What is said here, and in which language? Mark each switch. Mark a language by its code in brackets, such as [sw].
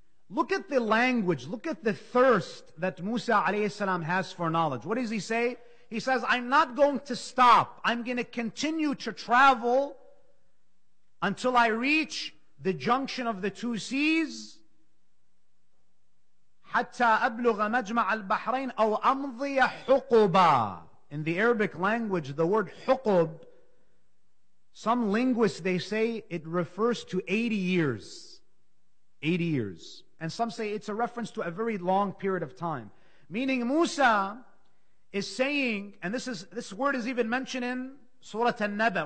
[en] Look at the language. Look at the thirst that Musa alayhi salam has for knowledge. What does he say? He says, I'm not going to stop. I'm going to continue to travel until I reach the junction of the two seas. [ar] حَتَّى أَبْلُغَ مَجْمَعَ الْبَحْرَيْنِ أَوْ أَمْضِيَ حُقُبًا. [en] In the Arabic language, the word حُقُب, some linguists, they say it refers to 80 years. 80 years. And some say it's a reference to a very long period of time. Meaning Musa is saying, and this word is even mentioned in Surah An-Naba.